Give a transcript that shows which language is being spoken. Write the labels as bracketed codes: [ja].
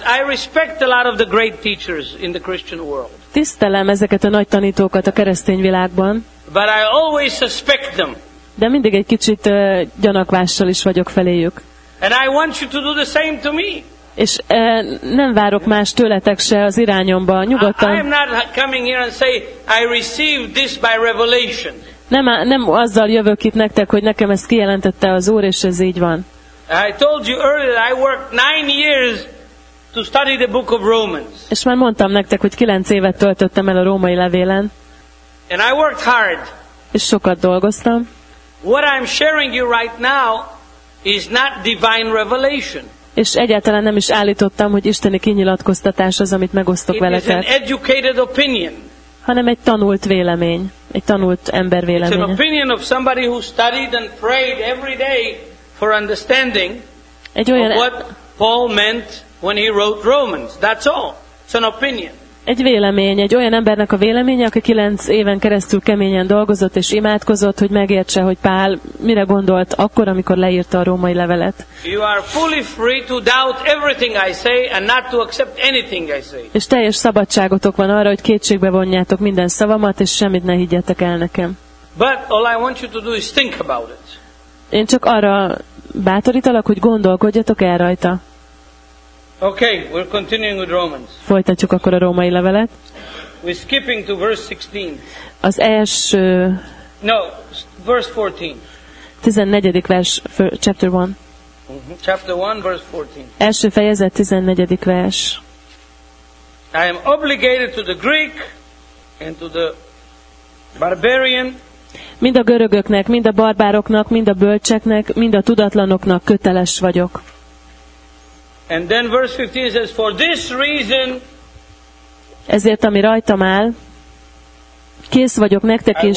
[en] I respect a lot of the great teachers in the Christian world. [hu] Tisztelem ezeket a nagy tanítókat a keresztény világban. [en] But I always suspect them. [hu] De mindig egy kicsit gyanakvással is vagyok feléjük. [en] And I want you to do the same to me. [hu] És nem várok más tőletek se az irányomban, nyugodtan. [en] I'm not coming here and say I received this by revelation. [hu] Nem azzal jövök itt nektek, hogy nekem ezt kijelentette az Úr, és ez így van. [en] I told you earlier that I worked 9 years to study the book of Romans. [hu] És már mondtam nektek, hogy 9 évet töltöttem el a római levélen. [en] And I worked hard. [hu] És sokat dolgoztam. [en] What I'm sharing you right now is not divine revelation. [hu] És egyáltalán nem is állítottam, hogy isteni kinyilatkoztatás az, amit megosztok veletek. [en] It is an educated opinion. [hu] Hanem egy tanult vélemény, egy tanult ember véleménye. [en] It's an opinion of somebody who studied and prayed every day for understanding of what Paul meant when he wrote Romans. That's all. It's an opinion. [hu] Egy vélemény, egy olyan embernek a véleménye, aki 9 éven keresztül keményen dolgozott és imádkozott, hogy megértse, hogy Pál mire gondolt akkor, amikor leírta a római levelet. [en] You are fully free to doubt everything I say and not to accept anything I say. [hu] És teljes szabadságotok van arra, hogy kétségbe vonjátok minden szavamat, és semmit ne higgyetek el nekem. [en] But all I want you to do is think about it. [hu] Én csak arra bátorítalak, hogy gondolkodjatok el rajta. [en] Okay, we're continuing with Romans. [hu] Folytatjuk akkor a római levelet. [en] We're skipping to verse 16. [hu] Az első... [en] No, verse 14. [hu] 14. vers, [en] chapter 1. Mm-hmm. Chapter 1, verse 14. [hu] Első fejezet, 14. vers. [en] I am obligated to the Greek and to the barbarian. [hu] Mind a görögöknek, mind a barbároknak, mind a bölcseknek, mind a tudatlanoknak köteles vagyok. [en] And then verse 15 says, for this reason, [hu] ezért ami rajtam áll, kész vagyok nektek is.